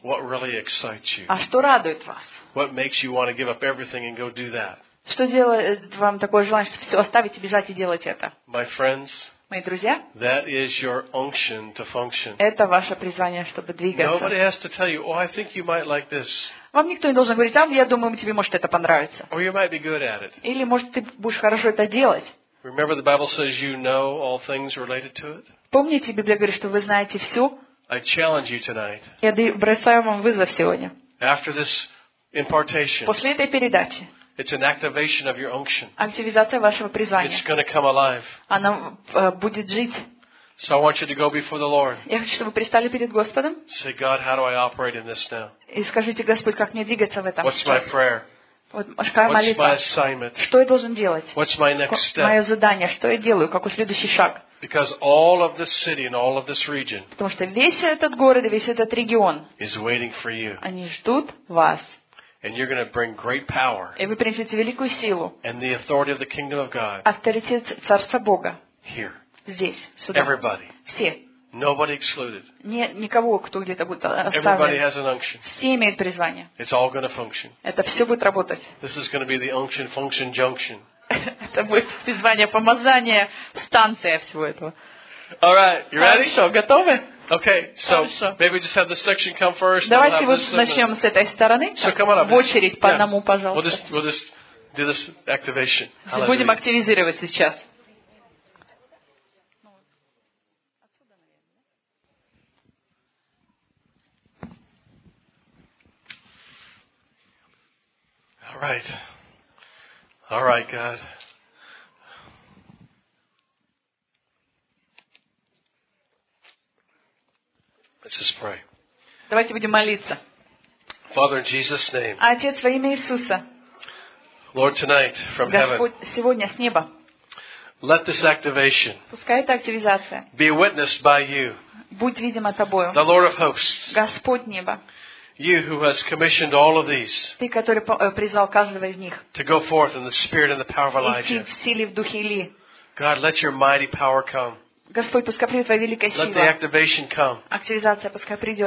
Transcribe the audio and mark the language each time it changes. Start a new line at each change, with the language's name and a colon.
English: What really excites you?
Russian: А что радует вас?
English: What makes you want to give up everything and go do that?
Russian: Что делает вам такое желание, что все оставить и бежать и делать это?
English: My friends.
Russian: Мои друзья.
English: That is your unction to function.
Russian: Это ваше призвание, чтобы двигаться.
English: Nobody has to tell you, oh, I think you might like this.
Russian: Вам никто не должен говорить, я думаю, тебе может это понравится.
English: Or you might be good at it.
Russian: Или может ты будешь хорошо это делать.
English: Remember, the Bible says you know all things related to it.
Russian: Помните, Библия говорит, что вы знаете все.
English: I challenge you tonight.
Russian: Я бросаю вам вызов сегодня.
English: After this impartation.
Russian: После этой передачи.
English: It's an activation of your unction.
Russian: Активизация вашего призвания.
English: It's going to come alive.
Russian: Оно будет жить.
English: So I want you to go before the Lord.
Russian: Я хочу, чтобы вы предстали перед Господом.
English: Say, God, how do I operate in this now?
Russian: И скажите, Господь, как мне двигаться в этом?
English: What's my prayer? What's my assignment?
Russian: Что я должен делать?
English: What's my next step?
Russian: Мое задание, что я делаю, какой следующий шаг?
English: Because all of this city and all of this region.
Russian: Потому что весь этот город и весь этот регион.
English: Is waiting for you.
Russian: Они ждут вас.
English: And you're going to bring great power.
Russian: И вы принесете великую силу.
English: And the authority of the kingdom of God.
Russian: Авторитет царства Бога.
English: Here.
Russian: Здесь, сюда.
English: Everybody.
Russian: Все.
English: Nobody excluded.
Russian: Нет никого, кто где-то будет оставлен.
English: Everybody has an unction.
Russian: Все имеют призвание.
English: It's all going to function.
Russian: Это все будет работать.
English: This is going to be the unction function junction.
Russian: Это будет призвание, помазание, станция всего этого.
English: All right, you ready?
Russian: Хорошо, готовы?
English: Okay, so maybe just have the section come first.
Russian: Давайте вот начнем с этой стороны.
English: So come on up.
Russian: В очередь по одному, пожалуйста.
English: We'll just do this activation.
Russian: Будем активизировать сейчас.
English: Right. All right, God. Let's just pray.
Russian: Давайте будем молиться.
English: Father, in Jesus' name.
Russian: Отец, во имя Иисуса.
English: Lord, tonight from heaven.
Russian: Господь, сегодня с неба.
English: Let this activation.
Russian: Пускай эта активизация.
English: Be witnessed by you.
Russian: Будь видима тобою.
English: The Lord of hosts.
Russian: Господь неба.
English: You who has commissioned all of these.
Russian: Ты, который призвал каждого из них.
English: To go forth in the spirit and the power of Elijah.
Russian: Идти в силе в духе Илии.
English: God, let your mighty power come.
Russian: Господь, пускай придет твоя великая сила.
English: Let the activation come.
Russian: Активизация пускай придет.